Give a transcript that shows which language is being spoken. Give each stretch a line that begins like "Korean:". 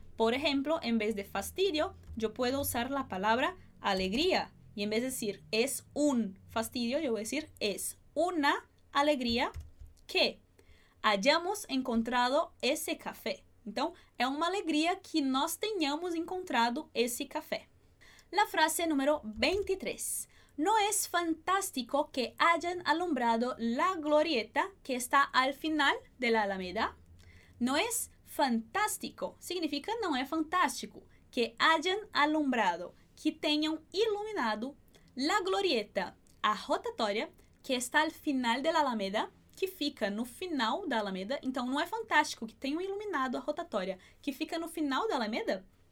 Portuguese: Por exemplo, em vez de fastidio, eu puedo usar a palavra alegria. E em vez de dizer es un fastidio, eu vou dizer
Spanish: es una alegria que hayamos encontrado ese café.
Portuguese: Então, é uma alegria que nós tenhamos encontrado esse café.
Spanish: La frase número 23. No es fantástico que hayan alumbrado la glorieta que está al final de la Alameda. No es fantástico.
Portuguese: Significa não é fantástico.
Spanish: Que hayan alumbrado.
Portuguese: Que tenham iluminado la glorieta, a rotatória
Spanish: que está al final de la Alameda.
Portuguese: Que fica no final da Alameda. Então, não é fantástico que tenham iluminado a rotatória que fica no final da Alameda?